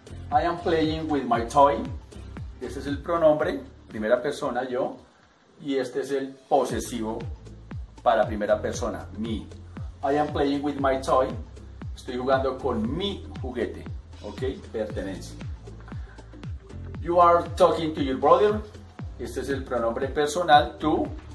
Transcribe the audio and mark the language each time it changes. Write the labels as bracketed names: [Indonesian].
[English] I am playing with my toy. [Spanish] Este es el pronombre, primera persona, yo. Y este es el posesivo para primera persona, me. [English] I am playing with my toy. [Spanish] Estoy jugando con mi juguete, [English] ¿ok? [Spanish] Pertenencia. [English] You are talking to your brother. [Spanish] Este es el pronombre personal, tú.